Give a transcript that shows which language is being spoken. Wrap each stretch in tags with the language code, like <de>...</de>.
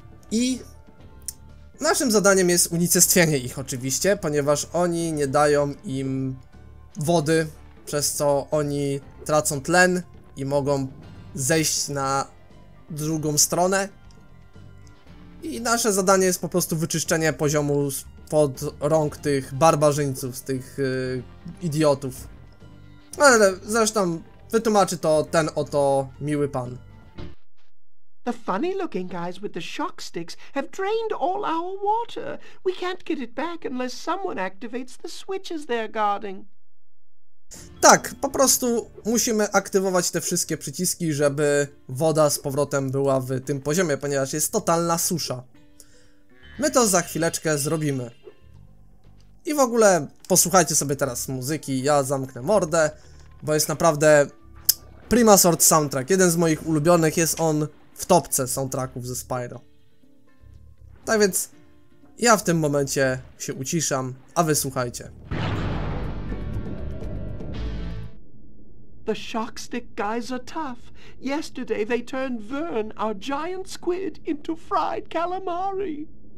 <pl>I naszym zadaniem jest unicestwienie ich oczywiście, ponieważ oni nie dają im wody, przez co oni tracą tlen i mogą zejść na drugą stronę. I nasze zadanie jest po prostu wyczyszczenie poziomu pod rąk tych barbarzyńców, tych idiotów. Ale zresztą wytłumaczy to ten oto miły pan.</pl> <en>The funny looking guys with the shock sticks have drained all our water. We can't get it back unless someone activates the switches they're guarding.</en> <pl>Tak, po prostu musimy aktywować te wszystkie przyciski, żeby woda z powrotem była w tym poziomie, ponieważ jest totalna susza. My to za chwileczkę zrobimy. I w ogóle posłuchajcie sobie teraz muzyki, ja zamknę mordę, bo jest naprawdę prima sort soundtrack, jeden z moich ulubionych, jest on w topce soundtracków ze Spyro. Tak więc ja w tym momencie się uciszam, a wy słuchajcie.</pl> <en>The Shockstick guys are tough. Yesterday they turned Vern, our giant squid, into fried calamari.</en>